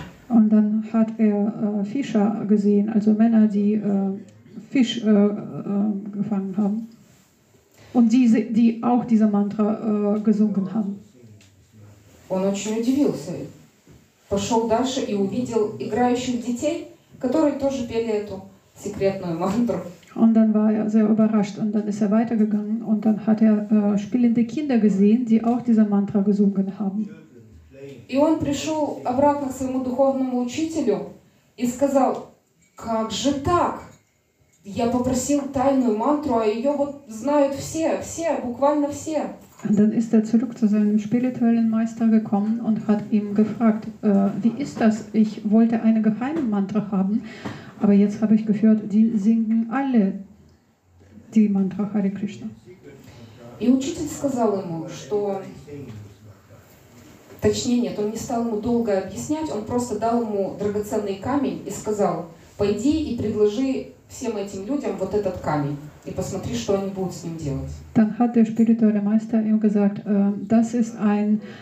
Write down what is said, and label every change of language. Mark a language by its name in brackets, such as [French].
[German] Und dann hat er Fischer gesehen, also Männer, die Fisch gefangen haben und die auch diese Mantra gesungen haben. [Russian] Он очень удивился, пошел дальше и увидел играющих детей, которые тоже пели эту секретную мантру. [German] Und dann war er sehr überrascht und dann ist er weitergegangen und dann hat er spielende Kinder gesehen, die auch diese Mantra gesungen haben. [Russian] И он пришел обратно к своему духовному учителю и сказал: Как же так? Я попросил тайную мантру, а ее вот знают все, буквально все. [German] Und dann ist er zurück zu seinem spirituellen Meister gekommen und hat ihm gefragt, wie ist das? Ich wollte eine geheime Mantra haben, aber jetzt habe ich gehört, die singen alle die Mantra Hare Krishna. [Russian] И учитель сказал ему, что... Точнее, нет, он не стал ему долго объяснять, он просто дал ему драгоценный камень и сказал, пойди и предложи всем этим людям вот этот камень и посмотри, что они будут с ним делать. [German] Dann hat der spirituelle Meister ihm gesagt, das ist ein